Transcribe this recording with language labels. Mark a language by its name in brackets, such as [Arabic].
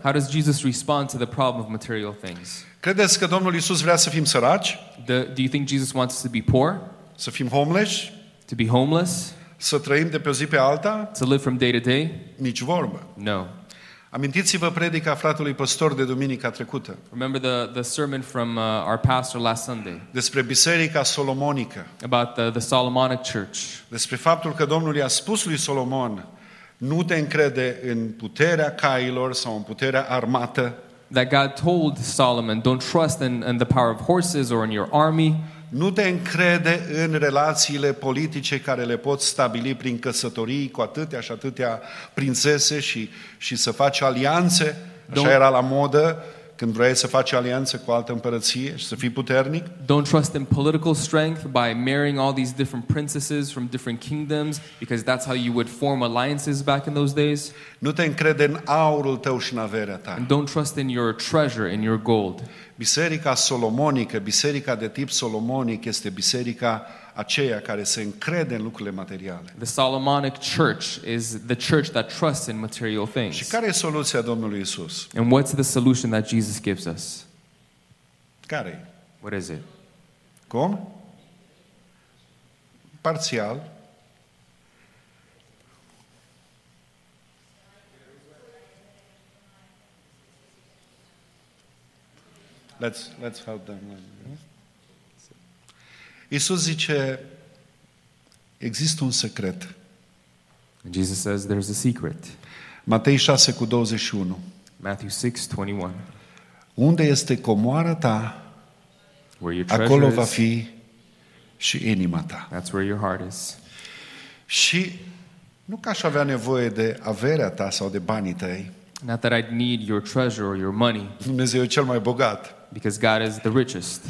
[English] How does Jesus respond to the problem of material things? [Romanian] Credeți că Domnul Iisus vrea să fim săraci? [English] Do you think Jesus wants us to be poor? [Romanian] Să fim homeless? [English] To be homeless? [Romanian] Să trăim de pe o zi pe alta? [English] To live from day to day? [Romanian] Nici vorbă. [English] No. [Romanian] Amintiți-vă predica fratelui pastor de duminica trecută. [English] Remember the sermon from our pastor last Sunday. [Romanian] Despre biserica solomonică. [English] About the Solomonic church. [Romanian] Despre faptul că Domnul i-a spus lui Solomon, nu te încrede în puterea cailor sau în puterea armată. [English] That God told Solomon, don't trust in the power of horses or in your army. [Romanian] Nu te încrede în relațiile politice care le poți stabili prin căsătorii cu atâtea și atâtea prințese și să faci alianțe. Așa era la modă când vrei să faci alianțe cu altă împărăție și să fii puternic. [English] Don't trust in political strength by marrying all these different princesses from different kingdoms because that's how you would form alliances back in those days. [Romanian] Nu te încrede în aurul tău și în averea ta. [English] And don't trust in your treasure, in your gold. [Romanian] Biserica solomonică, biserica de tip solomonic este biserica aceea care se încrede în lucrurile materiale. [English] The Solomonic church is the church that trusts in material things. [Romanian] Și care e soluția Domnului Iisus? [English] And what's the solution that Jesus gives us? [Romanian] Care e? [English] What is it? [Romanian] Cum? Parțial. [English] Let's help them. [Romanian] Iisus zice există un secret. [English] Jesus says there's a secret. [Romanian] Matei 6:21. [English] Matthew 6:21. [Romanian] Unde este comoara ta? [English] Where your treasure [Romanian] acolo [English] is, [Romanian] va fi și inima ta. [English] That's where your heart is. [Romanian] Și nu că aș avea nevoie de averea ta sau de banii tăi. [English] Not that I'd need your treasure or your money. [Romanian] Dumnezeu e cel mai bogat. [English] Because God is the richest.